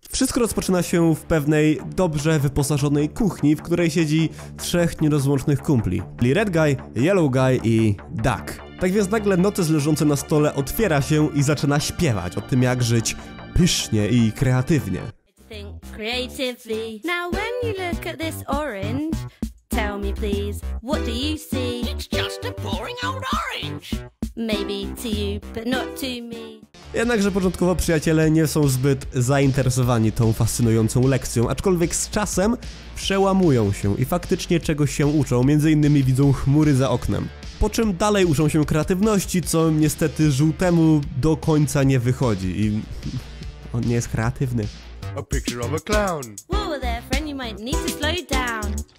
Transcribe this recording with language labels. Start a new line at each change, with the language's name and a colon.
Polish: Wszystko rozpoczyna się w pewnej dobrze wyposażonej kuchni, w której siedzi trzech nierozłącznych kumpli, czyli Red Guy, Yellow Guy i Duck. Tak więc nagle notes leżący na stole otwiera się i zaczyna śpiewać o tym, jak żyć pysznie i kreatywnie.
English: Think creatively. Now when you look at this orange, tell me please, what do you see? It's just a boring old orange. Maybe to you, but not to me.
Polish: Jednakże początkowo przyjaciele nie są zbyt zainteresowani tą fascynującą lekcją, aczkolwiek z czasem przełamują się i faktycznie czegoś się uczą, między innymi widzą chmury za oknem. Po czym dalej uczą się kreatywności, co niestety żółtemu do końca nie wychodzi i on nie jest kreatywny.
English: A picture of a clown. Whoa there, friend, you might need to slow down.